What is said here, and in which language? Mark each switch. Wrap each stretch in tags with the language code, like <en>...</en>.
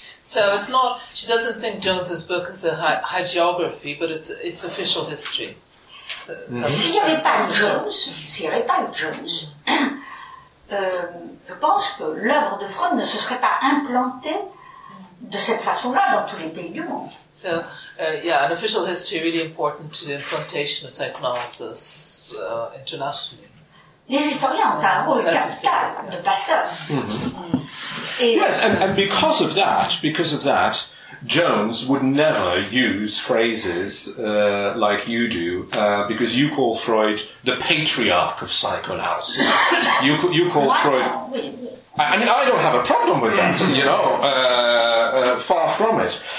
<en>So it's not, she doesn't think Jones's book is a hagiography, but it's official history.</en> <fr>S'il n'y avait pas Jones, je pense que l'œuvre de Freud ne se serait pas implantée de cette façon-là dans tous les pays du monde.</fr> <en>So, an official history is really important to the implantation of psychoanalysis internationally.</en> <fr>Les historiens ont un rôle capital de passeur.</fr> <en>Yes, and because of that, Jones would never use phrases like you do, because you call Freud the patriarch of psychoanalysis. You call Freud. I don't have a problem with that. Far from it.</en>